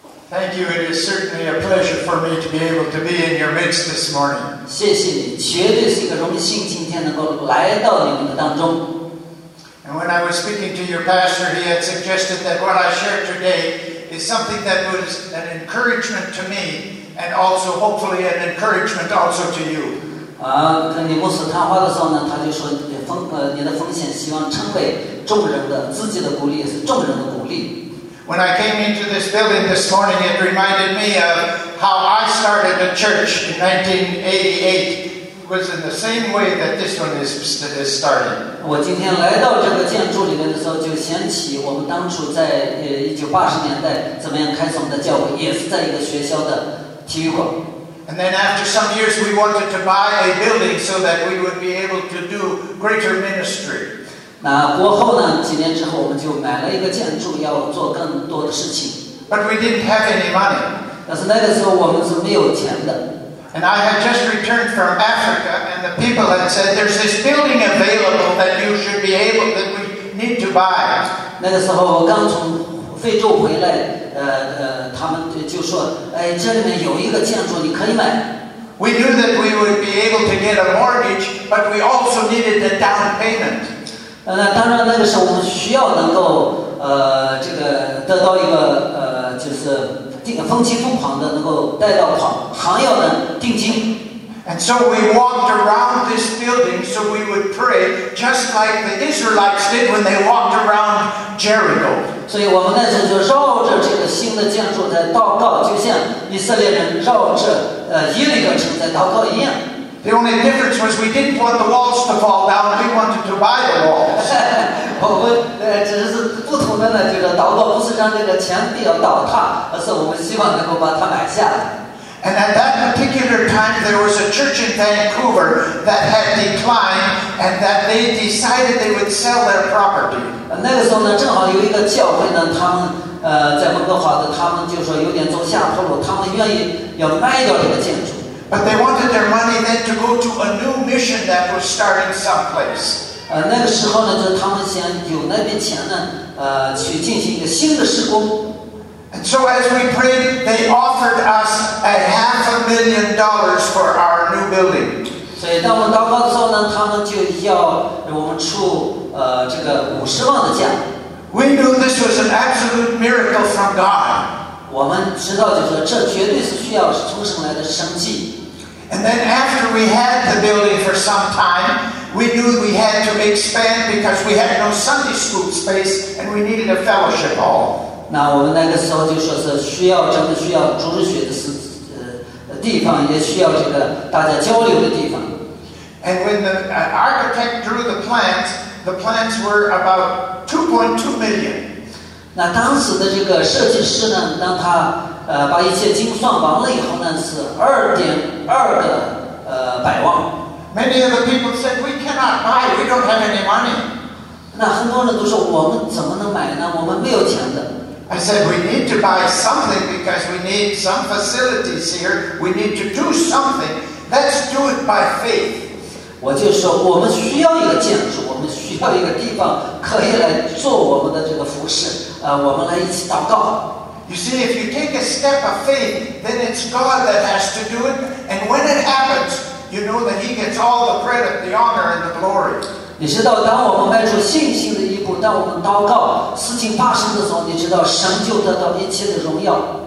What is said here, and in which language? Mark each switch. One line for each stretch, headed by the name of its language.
English: Thank you. It is certainly a pleasure for me to be able to be in your midst this morning.
Chinese: 谢谢你，绝对是一个荣幸，今天能够来到你们的当中。
English: And when I was speaking to your pastor, he had suggested that what I shared today is something that was an encouragement to me, and also hopefully an encouragement also to you.
Chinese: 跟你牧师谈话的时候呢，他就说你的奉献希望成为众人的自己的鼓励，也是众人的鼓励。
English: When I came into this building this morning, it reminded me of how I started a church in 1988. It was in the same way that this one is started.
Chinese: 我今天来到这个建筑里面的时候，就想起我们当初在1980年代怎么样开始我们的教会，也是在一个学校的体育馆。
English: And then after some years, we wanted to buy a building so that we would be able to do greater ministry.
Chinese: 那过后呢？几年之后，我们就买了一个建筑，要做更多的事情。
English: But we didn't have any money.
Chinese: 但是那个时候我们是没有钱的。
English: And I had just returned from Africa, and the people had said, "There's this building available that you should be able that we need to buy."
Chinese: 那个时候我刚从非洲回来，他们就说，哎，这里面有一个建筑，你可以买。
English: We knew that we would be able to get a mortgage, but we also needed a down payment.
Chinese: 当然那个时候我们需要能够这个得到一个就是这个分期付款的能够贷到款还要的定金。
English: And so we walked around this building so we would pray just like the Israelites did when they walked around Jericho.
Chinese: 所以我们那时候就绕着这个新的建筑在祷告，就像以色列人绕着耶利哥城在祷告一样。
English: The only difference was we didn't want the walls to fall down. We wanted to buy the walls.
Chinese: 我们只是不同的呢，就是祷告不是让这个墙壁要倒塌，而是我们希望能够把它买下。
English: And at that particular time, there was a church in Vancouver that had declined, and that they decided they would sell their property.
Chinese: 那个时候呢，正好有一个教会呢，他们在温哥华的，他们就说有点走下坡路，他们愿意要卖掉这个建筑。
English: But they wanted their money then to go to a new mission that was starting someplace.
Chinese: 那个时候呢，就是他们想有那笔钱呢，去进行一个新的施工。
English: And so as we prayed, they offered us $500,000 for our new building.
Chinese: 所以当我们祷告的时候呢，他们就要我们出这个500,000的价。
English: We knew this was an absolute miracle from God.
Chinese: 我们知道就是说，这绝对是需要从神来的神迹。
English: And then after we had the building for some time, we knew we had to expand because we had no Sunday school space and we needed a fellowship hall.
Chinese: 那我们那个时候就说是需要真的需要主日学的地方，也需要这个大家交流的地方。
English: And when the architect drew the plans were about 2.2 million.
Chinese: 那当时的这个设计师呢，让他把一切精算完了以后呢，是2.2
English: billion. Many of the people said, "We cannot buy. We don't have any money."
Chinese: 那很多人都说，我们怎么能买呢？我们没有钱的。
English: I said, "We need to buy something because we need some facilities here. We need to do something. Let's do it by faith."
Chinese: 我就说，我们需要一个建筑，我们需要一个地方可以来做我们的这个服饰。我们来一起祷告。
English: You see, if you take a step of faith, then it's God that has to do it. And when it happens, you know that He gets all the credit, the honor, and the glory.
Chinese: 你知道，当我们迈出信心的一步，当我们祷告，事情发生的时候，你知道，神就得到一切的荣耀。